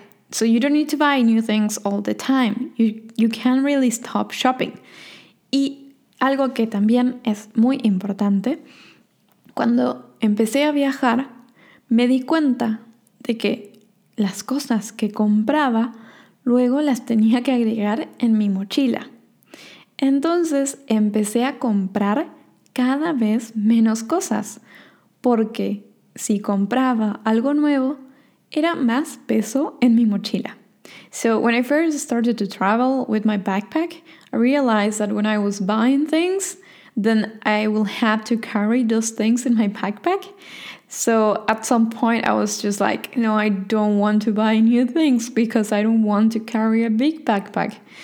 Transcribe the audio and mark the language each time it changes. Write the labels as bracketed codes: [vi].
[en] So you don't need to buy new things all the time. You can't really stop shopping. [es] Y algo que también es muy importante, cuando empecé a viajar, me di cuenta de que las cosas que compraba luego las tenía que agregar en mi mochila. Entonces empecé a comprar cada vez menos cosas, porque si compraba algo nuevo, era más peso en mi mochila. [en] So when I first started to travel with my backpack, I realized that when I was buying things, then I will have to carry those things in my backpack. So at some point I was just like, no, I don't want to buy new things because I don't want to carry a big backpack.